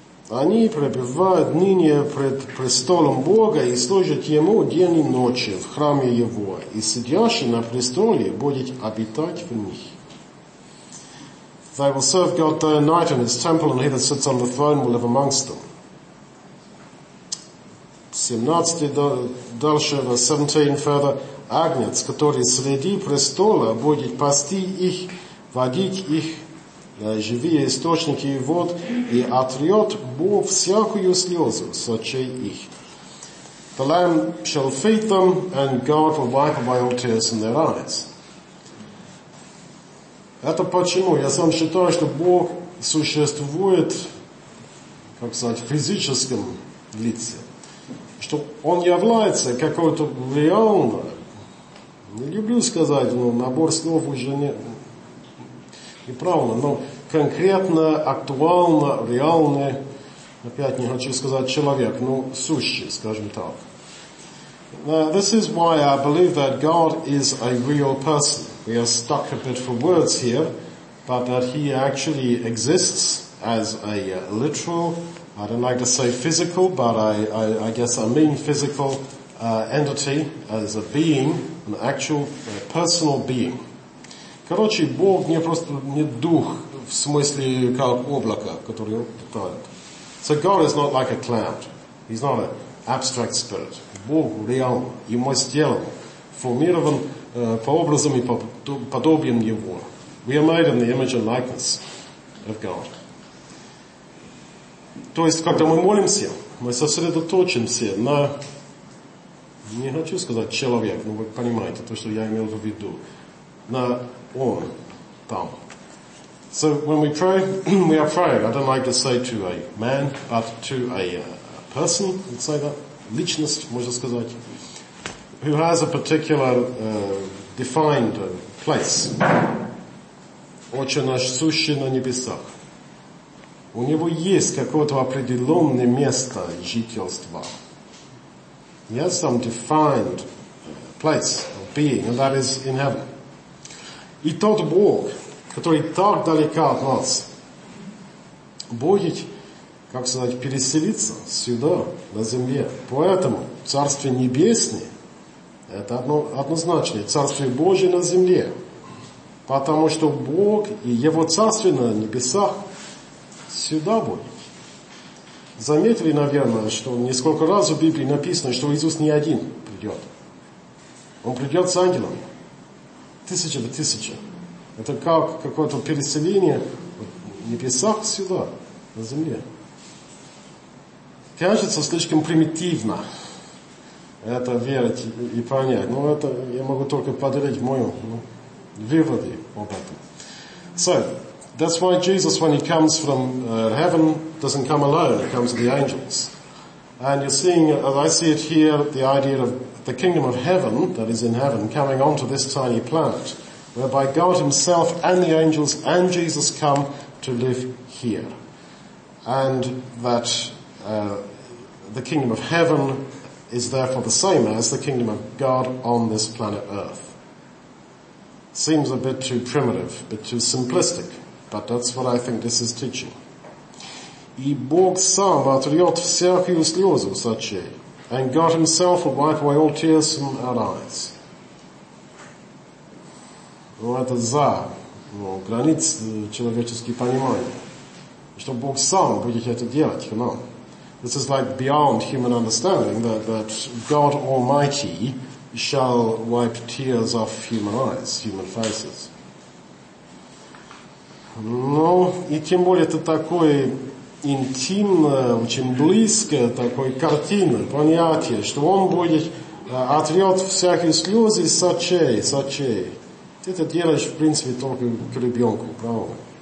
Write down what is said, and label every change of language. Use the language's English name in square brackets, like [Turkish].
[Russian] Они пребывают ныне пред престолом Бога и служат Ему день и ночи в храме Его, и сидящий на престоле будет обитать в них. [English] They will serve God day and night in His temple, and He that sits on the throne will live amongst them. 17 further. [Russian] Агнец, который среди престола, будет пасти их, водить их живые источники и вод, и отрет Бог всякую слезу с очей их. [English] The Lamb shall feed them, and God will wipe away all tears from their eyes. [Russian] Это почему? Я сам считаю, что Бог существует, как сказать, в физическом лице. Что Он является какой-то реальным. Не люблю сказать, но набор слов уже неправильно, но конкретно, актуально, реально, опять не хочу сказать человек, но сущий, скажем так. [English] Now, this is why I believe that God is a real person. We are stuck a bit for words here, but that He actually exists as a literal, I don't like to say physical, but I guess I mean physical entity, as a being, an actual personal being. [Russian] Короче, Бог не просто не дух в смысле как облако, которое летает. [English] So God is not like a cloud. He's not an abstract spirit. [Russian] Бог реальный, и мы сделаны, формирован по образам и подобием Его. [English] We are made in the image and likeness of God. [Russian] То есть, когда мы молимся, мы сосредоточимся на... Не хочу сказать человек, но вы понимаете то, что я имел в виду. На он там. [English] So when we pray, we are praying. I don't like to say to a man, but to a person, let's say that, [Russian] личность, можно сказать, [English] who has a particular defined place. [Russian] Отче наш сущий на небесах. У него есть какое-то определенное место жительства. [English] He has some defined place of being, and that is in heaven. [Russian] И тот Бог, который так далеко от нас, будет, как сказать, переселиться сюда, на земле. Поэтому Царствие Небесное, это однозначно, Царствие Божие на земле. Потому что Бог и Его Царствие на небесах сюда будет. Заметили, наверное, что несколько раз в Библии написано, что Иисус не один придет. Он придет с ангелами. Тысяча в тысяча. Это как какое-то переселение в небесах сюда, на земле. кажется слишком примитивно это верить и понять. Но это я могу только поделить мою выводы об этом. [English] So, that's why Jesus, when he comes from heaven, doesn't come alone, he comes to the angels. And you're seeing, as I see it here, the idea of the kingdom of heaven, that is in heaven, coming onto this tiny planet, whereby God himself and the angels and Jesus come to live here. And that the kingdom of heaven is therefore the same as the kingdom of God on this planet Earth. Seems a bit too primitive, a bit too simplistic, but that's what I think this is teaching. [Russian] И Бог сам отрет всякую слезу с очей, [English] and God himself will wipe away all tears from our eyes. [Russian] Ну, это за границ человеческого понимания. Что Бог сам будет это делать, [English] you know. This is like beyond human understanding, that God Almighty shall wipe tears off human eyes, human faces. [Russian] Ну, и тем более это такое интимное, очень близкое такое картина, понятие, что он будет, отрет всякие слезы с очей, с очей. Ты это делаешь, в принципе, только к ребенку, правда?